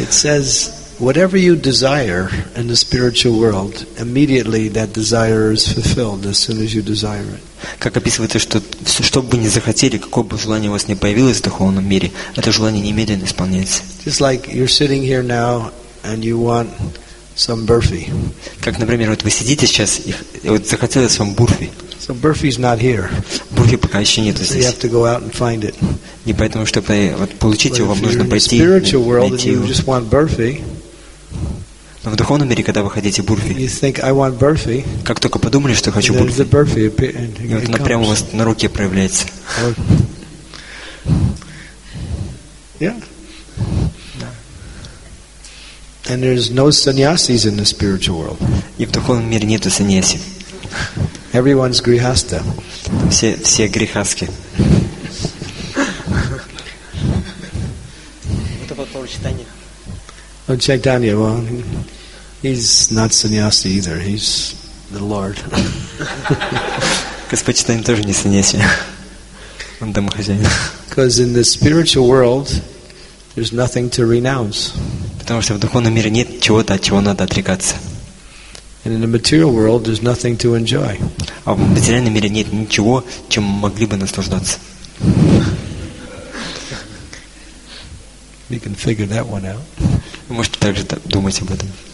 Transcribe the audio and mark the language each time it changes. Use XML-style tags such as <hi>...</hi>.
<en>It says, whatever you desire in the spiritual world, immediately that desire is fulfilled as soon as you desire it.</en> <ru>Как описывается, что все, что бы вы ни захотели, какое бы желание у вас ни появилось в духовном мире, это желание немедленно исполняется. Как, например, вот вы сидите сейчас, и вот захотелось вам бурфи.</ru> <en>So Burfi's not here.</en> <ru>Бурфи пока еще нету здесь.</ru> <en>So you have to go out and find it.</en> <ru>И поэтому, чтобы вот, получить его, вам нужно пойти и найти его.</ru> <en>You just want burfi,</en> <ru>но в духовном мире, когда вы хотите бурфи,</ru> <en>you think, I want burfi,</en> <ru>как только подумали, что хочу бурфи,</ru> <en>the burfi, it, it,</en> <ru>и вот она прямо у вас на руке проявляется.</ru> <en>Yeah. And there's no sannyasis in the spiritual world.</en> <ru>И в духовном мире нету саньяси.</ru> <en>Everyone's grihastha.</en> <ru>Все грихастки. Это вот Лорд Чайтанья.</ru> <en>Лорд Чайтанья, well, he's not sannyasi either. He's the Lord.</en> <ru>Господь Чайтанья тоже не саньяси. Он домохозяин.</ru> <en>Because in the spiritual world, there's nothing to renounce.</en> <ru>Потому что в духовном мире нет чего-то, от чего надо отрекаться.</ru> <en>And in the material world, there's nothing to enjoy.</en> <ru>А в материальном мире нет ничего, чем могли бы наслаждаться.</ru> <en>You can figure that one out.</en> <ru>Вы можете также думать об этом.</ru>